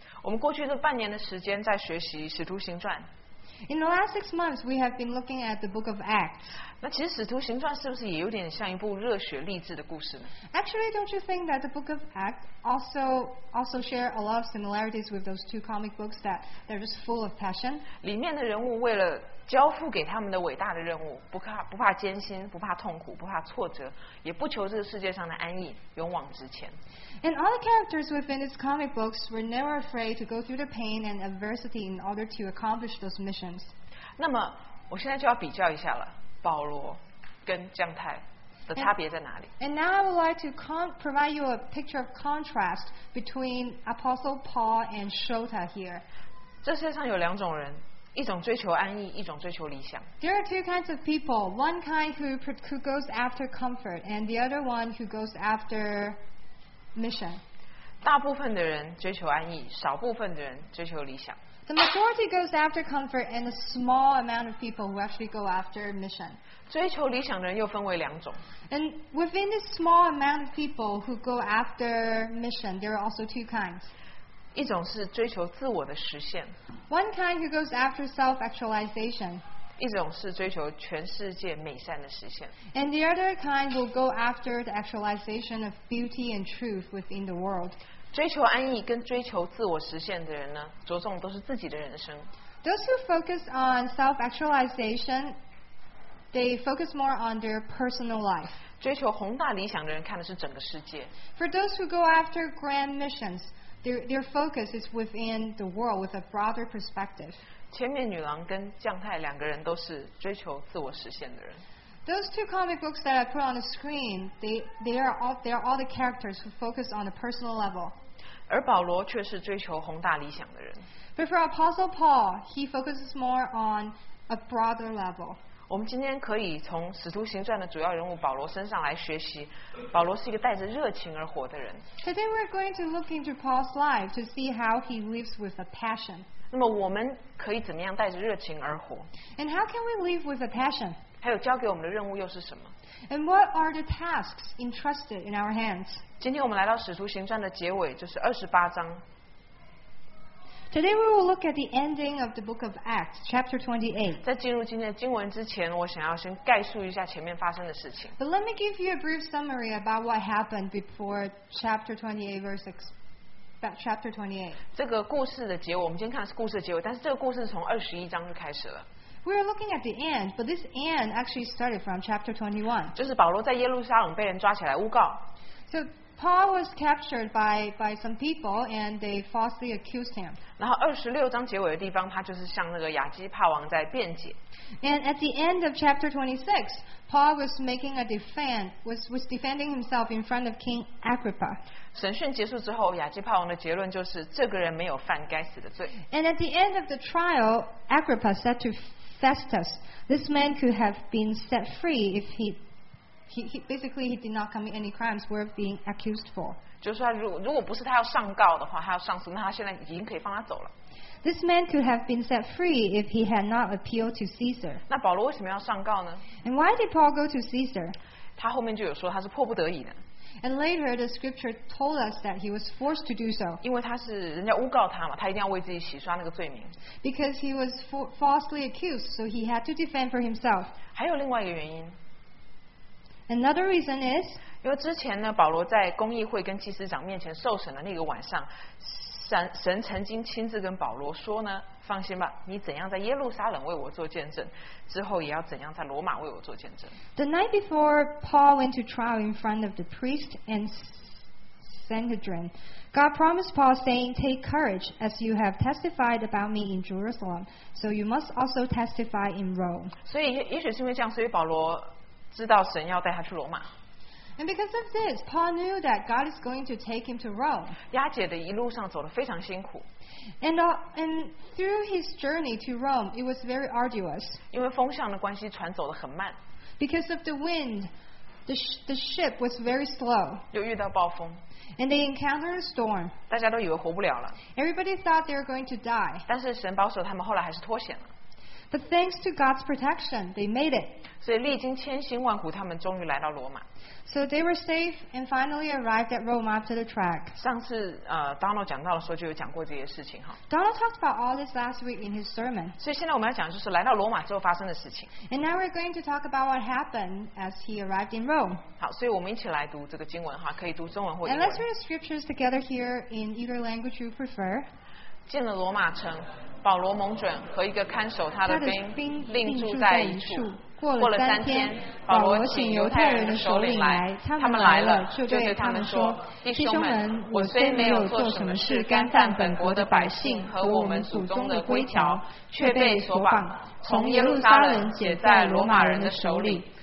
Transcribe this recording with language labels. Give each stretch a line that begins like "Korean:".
Chinese: 我们过去这半年的时间在学习《使徒行传》。
English: In the last six months, we have been looking at the Book of Acts.
Chinese: 那其实《使徒行传》是不是也有点像一部热血励志的故事呢
English: ？Actually, don't you think that the Book of Acts also share a lot of similarities with those two comic books that they're just full of passion?
Chinese: 里面的人物为了交付给他们的伟大的任务，不怕艰辛，不怕痛苦，不怕挫折，也不求这个世界上的安逸，勇往直前。
English: And all the characters within these comic books were never afraid to go through the pain and adversity in order to accomplish those missions.
Chinese: 那么，我现在就要比较一下了，保罗跟姜太的差别在哪里
English: ？And now I would like to provide you a picture of contrast between Apostle Paul and Shota here.
Chinese: 这世界上有两种人，一种追求安逸，一种追求理想。
English: There are two kinds of people. One kind who goes after comfort, and the other one who goes after mission.
Chinese: 大部分的人追求安逸，少部分的人追求理想。
English: The majority goes after comfort, and a small amount of people who actually go after mission.
Chinese: 追求理想的人又分为两种。
English: And within this small amount of people who go after mission, there are also two kinds.
Chinese: 一种是追求自我的实现。
English: One kind who goes after self-actualization.
Chinese: 一种是追求全世界美善的实现。
English: And the other kind will go after the actualization of beauty and truth within the world.
Chinese: 追求安逸跟追求自我实现的人呢，着重都是自己的人生。
English: Those who focus on self-actualization, they focus more on their personal life.
Chinese: 追求宏大理想的人看的是整个世界。
English: For those who go after grand missions, their focus is within the world with a broader perspective.
Chinese: 千面女郎跟酱太两个人都是追求自我实现的人。
English: Those two comic books that I put on the screen, they are all the characters who focus on a personal level.
Chinese: 而保罗却是追求宏大理想的人。
English: But for Apostle Paul, he focuses more on a broader level.
Chinese: 我们今天可以从《使徒行传》的主要人物保罗身上来学习。保罗是一个带着热情而活的人。
English: Today we're going to look into Paul's life to see how he lives with a passion.
Chinese: 那么我们可以怎么样带着热情而活
English: ？And how can we live with a passion?
Chinese: 还有交给我们的任务又是什么
English: ？And what are the tasks entrusted in our hands?
Chinese: 今天我们来到《使徒行传》的结尾，就是28章。
English: Today we will look at the ending of the book of Acts, chapter 28.
Chinese: 在进入今天的经文之前，我想要先概述一下前面发生的事情。
English: But let me give you a brief summary about what happened before chapter 28, verse 6. Chapter 28.
Chinese: 这个故事的结尾，我们今天看的是故事的结尾，但是这个故事从21章就开始了。
English: We are looking at the end, but this end actually started from chapter 21.
Chinese: 就是保罗在耶路撒冷被人抓起来诬告。
English: So,Paul was captured by some people and they falsely accused him.
Chinese: 然后26章结尾的地方，他就是向那个亚基帕王在辩解。
English: And at the end of chapter 26, Paul was making a defense, was defending himself in front of King Agrippa.
Chinese: 审讯结束之后，亚基帕王的结论就是这个人没有犯该死的罪。
English: And at the end of the trial, Agrippa said to Festus, "This man could have been set free if he." He did not commit any crimes worth being accused for.
Chinese: 就是他如果不是他要上告的话，他要上诉，那他现在已经可以放他走了。
English: This man could have been set free if he had not appealed to Caesar.
Chinese: 那保罗为什么要上告呢
English: ？And why did Paul go to Caesar?
Chinese: 他后面就有说他是迫不得已的。
English: And later the scripture told us that he was forced to do so.
Chinese: 因为他是人家诬告他嘛，他一定要为自己洗刷那个罪名。
English: Because he was falsely accused, so he had to defend for himself.
Chinese: 还有另外一个原因。
English: Another reason is,
Chinese: 因为之前呢，保罗在公议会跟祭司长面前受审的那个晚上，神曾经亲自跟保罗说呢，放心吧，你怎样在耶路撒冷为我做见证，之后也要怎样在罗马为我做见证。
English: The night before Paul went to trial in front of the priest and Sanhedrin, God promised Paul saying, "Take courage, as you have testified about me in Jerusalem, so you must also testify in Rome."
Chinese: 所以也许是因为这样，所以保罗。知道神要带他去罗马。
English: And because of this, Paul knew that God is going to take him to Rome.
Chinese: 押解的一路上走得非常辛苦。
English: And through his journey to Rome, it was very arduous.
Chinese: 因为风向的关系，船走得很慢。
English: Because of the wind, the ship was very slow.
Chinese: 又遇到暴风。
English: And they encountered a storm.
Chinese: 大家都以为活不了了。
English: Everybody thought they were going to die.
Chinese: 但是神保守他们，后来还是脱险了。
English: But thanks to God's protection, they made it.
Chinese: 所以历经千辛万苦，他们终于来到罗马。
English: So they were safe and finally arrived at Rome after the trek.
Chinese: 上次Donald 讲到的时候就有讲过这些事情哈。
English: Donald talked about all this last week in his sermon.
Chinese: 所以现在我们要讲就是来到罗马之后发生的事情。
English: And now we're going to talk about what happened as he arrived in Rome.
Chinese: 好，所以我们一起来读这个经文哈，可以读中文或英文。
English: And let's read scriptures together here in either language you prefer.
Chinese: 进了罗马城。保罗蒙准和一个看守他的兵另住在一处。过了三天，保罗请犹太人的首领来，他们来了，就对他们说：“弟兄们，我虽没有做什么事干犯本国的百姓和我们祖宗的规条，却被索绑，从耶路撒冷解在罗马人的手里。